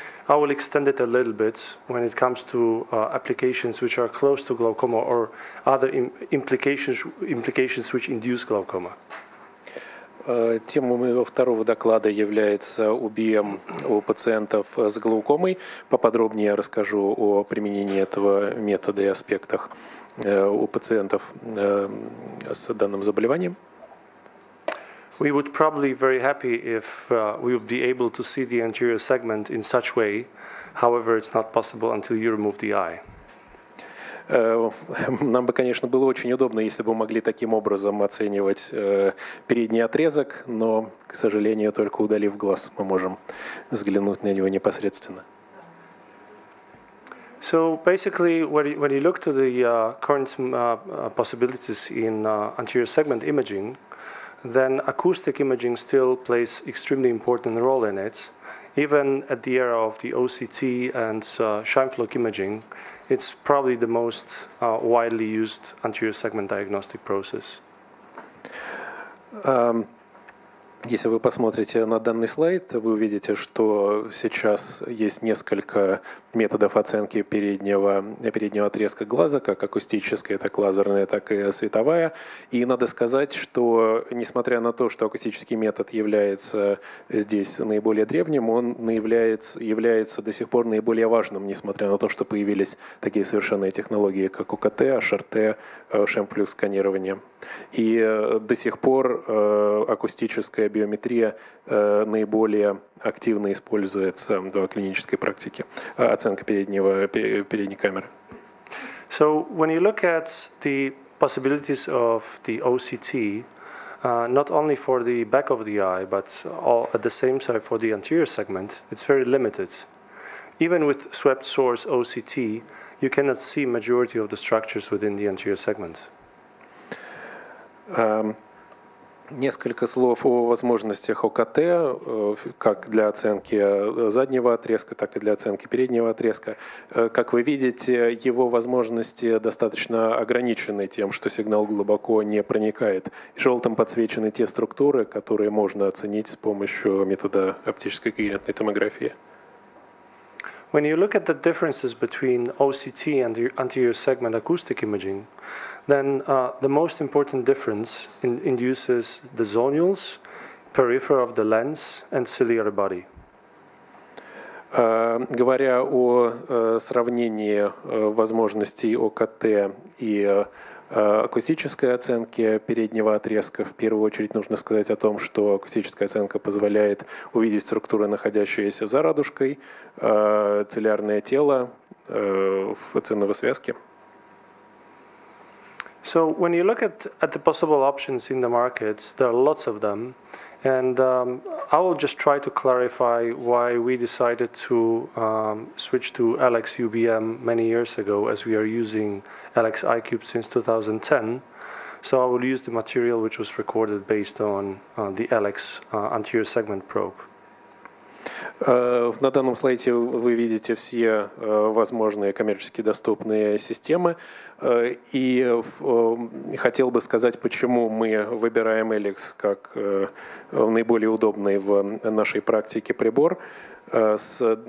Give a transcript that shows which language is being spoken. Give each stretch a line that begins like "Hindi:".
English: I will extend it a little bit when it comes to applications which are close to glaucoma or other implications which induce glaucoma.
Russian: Тема моего второго доклада является УБМ у пациентов с глаукомой. Поподробнее расскажу о применении этого метода и аспектах у пациентов с данным заболеванием.
English: We would probably be very happy if we would be able to see the anterior segment in such way. However, it's not possible until you remove the eye.
Russian: Нам бы, конечно, было очень удобно, если бы мы могли таким образом оценивать передний отрезок, но, к сожалению, только удалив глаз, мы можем взглянуть на него непосредственно.
English: So basically, when you look to the current possibilities in anterior segment imaging, then acoustic imaging still plays extremely important role in it. Even at the era of the OCT and Scheimpflug imaging, it's probably the most widely used anterior segment diagnostic process.
Russian: Если вы посмотрите на данный слайд, вы увидите, что сейчас есть несколько методов оценки переднего отрезка глаза, как акустическая, так лазерная, так и световая. И надо сказать, что несмотря на то, что акустический метод является здесь наиболее древним, он является до сих пор наиболее важным, несмотря на то, что появились такие совершенные технологии, как УКТ, HRT, Scheimpflug сканирование. И до сих пор акустическая биометрия наиболее активно используется в клинической практике, оценка передней камеры.
English: So when you look at the possibilities of the OCT, not only for the back of the eye, but all at the same time for the anterior segment, it's very limited. Even with swept source OCT, you cannot see majority of the structures within the anterior segment.
Russian: Несколько слов о возможностях ОКТ, как для оценки заднего отрезка, так и для оценки переднего отрезка. Как вы видите, его возможности достаточно ограничены тем, что сигнал глубоко не проникает. Желтым подсвечены те структуры, которые можно оценить с помощью метода оптической когерентной томографии.
English: When you look at the differences between OCT and anterior segment acoustic imaging, then the most important difference induces the zonules, periphery of the lens, and ciliary body.
Russian: Говоря о сравнении возможностей ОКТ и акустической оценки переднего отрезка, в первую очередь нужно сказать о том, что акустическая оценка позволяет увидеть структуры, находящиеся за радужкой, ciliарное тело в ценовой связке.
English: So when you look at the possible options in the markets, there are lots of them, and I will just try to clarify why we decided to switch to LX UBM many years ago, as we are using LX iCubed since 2010. So I will use the material which was recorded based on the LX anterior segment probe.
Russian: На данном слайде вы видите все возможные коммерчески доступные системы. И хотел бы сказать, почему мы выбираем LX как наиболее удобный в нашей практике прибор с